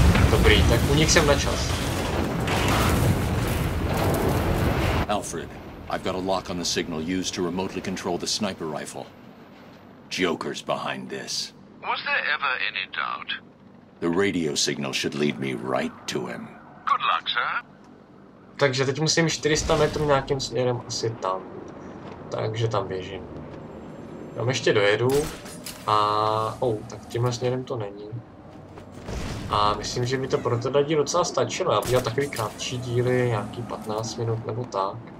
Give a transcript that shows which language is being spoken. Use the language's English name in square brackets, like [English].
[Czech] Dobrý, tak u nich jsem na čas. [English] Alfred, I've got a lock on the signal used to remotely control the sniper rifle. Joker's behind this. Was there ever any doubt? The radio signal should lead me right to him. Good luck, sir. [Czech] Takže teď musím 400 metrů nějakým směrem asi tam. Takže tam běžím. Tam ještě dojedu. A... Oh, tak tímhle směrem to není. A myslím, že by to pro teda díl docela stačilo. Já udělal takový krátší díly, nějaký 15 minut nebo tak.